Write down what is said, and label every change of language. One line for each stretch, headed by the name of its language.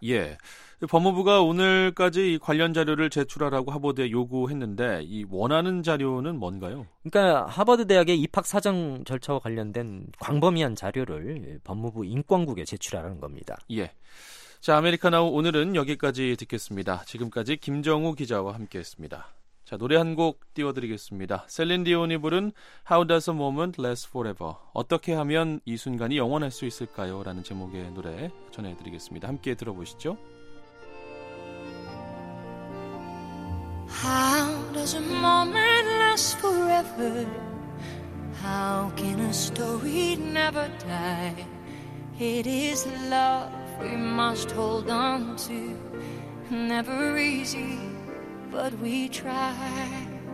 Korean: 예, 법무부가 오늘까지 관련 자료를 제출하라고 하버드에 요구했는데 이 원하는 자료는 뭔가요? 그러니까 하버드 대학의 입학 사정 절차와 관련된 광범위한 자료를 법무부 인권국에 제출하라는 겁니다. 예, 자 아메리카나우 오늘은 여기까지 듣겠습니다. 지금까지 김정우 기자와 함께했습니다. 자, 노래 한 곡 띄워드리겠습니다. 셀린 디온이 부른 How Does a Moment Last Forever? 어떻게 하면 이 순간이 영원할 수 있을까요? 라는 제목의 노래 전해드리겠습니다. 함께 들어보시죠.
English: How does a moment last forever? How can a story never die? It is love we must hold on to. Never easy. But we try.